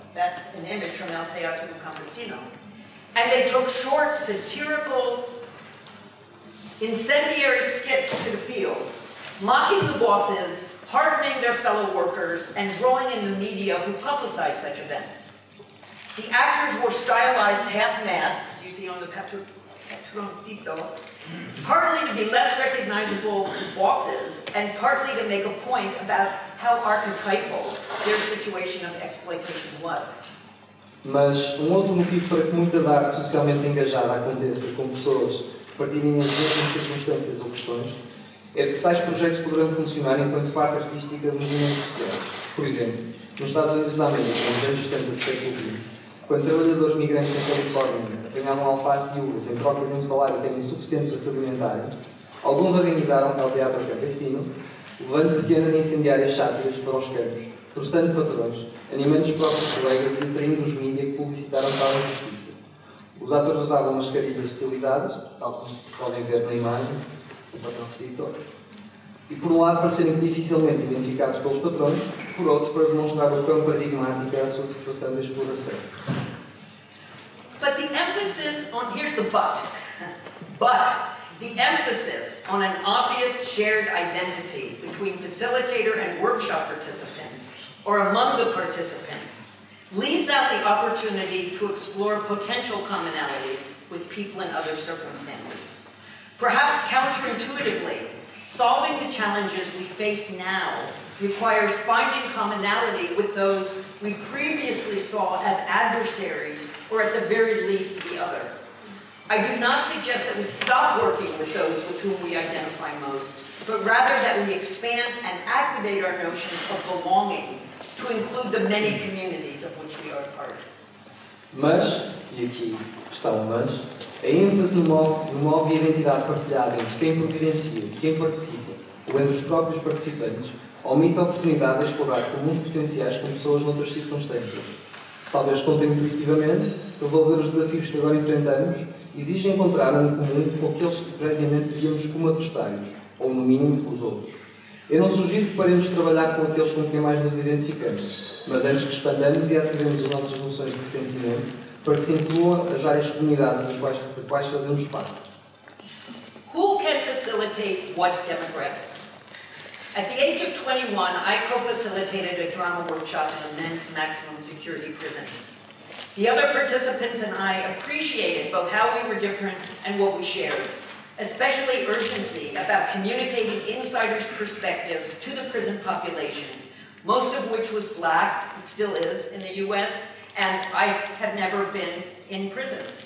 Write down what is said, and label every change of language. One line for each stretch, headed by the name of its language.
English: That's an image from El Teatro Campesino. And they took short, satirical, incendiary skits to the field, mocking the bosses, hardening their fellow workers, and drawing in the media who publicized such events. The actors wore stylized half masks, you see on the patroncito, partly to be less recognizable to bosses, and partly to make a point about how archetypal their situation of exploitation was.
Portuguese: Mas um outro motivo para que muita da arte socialmente engajada aconteça com pessoas partilhem as mesmas circunstâncias ou questões é de que tais projetos poderão funcionar enquanto parte artística de movimentos sociais. Por exemplo, nos Estados Unidos da América, nos anos 70 do século XX, quando trabalhadores migrantes na Califórnia apanhavam alface e uvas em troca de um salário que era insuficiente para se alimentar, alguns organizaram o Teatro Campesino, levando pequenas incendiárias sátiras para os campos, torçando patrões, animando os próprios colegas e atraindo os mídias que publicitaram tal injustiça. Os atores usavam mascarilhas estilizadas, tal como podem ver na imagem, o patrão recitou, e por um lado para serem dificilmente identificados pelos patrões, por outro para demonstrar o quão paradigmática é a sua situação de exploração.
English: But the emphasis on, here's the but, the emphasis on an obvious shared identity between facilitator and workshop participants, or among the participants, leaves out the opportunity to explore potential commonalities with people in other circumstances. Perhaps counterintuitively, solving the challenges we face now requires finding commonality with those we previously saw as adversaries, or at the very least, the other. I do not suggest that we stop working with those with whom we identify most, but rather that we expand and activate our notions of belonging to include the many communities of which we are part.
Portuguese: Mas, e aqui está o mas, a ênfase numa óbvia identidade partilhada entre quem providencia, quem participa, ou entre os próprios participantes, omite a oportunidade de explorar comuns potenciais com pessoas noutras circunstâncias. Talvez contemplativamente, resolver os desafios que agora enfrentamos exige encontrar um comum com aqueles que previamente víamos como adversários, ou no mínimo os outros. Eu não sugiro que paremos de trabalhar com aqueles com quem mais nos identificamos, mas antes que expandamos e ativemos as nossas noções de pertencimento, para que se incluam as várias comunidades das quais fazemos parte.
English: Who can facilitate what demographics? At the age of 21, I co-facilitated a drama workshop in a men's maximum security prison. The other participants and I appreciated both how we were different and what we shared, especially urgency about communicating insiders' perspectives to the prison population, most of which was black, and still is, in the US, and I have never been in prison.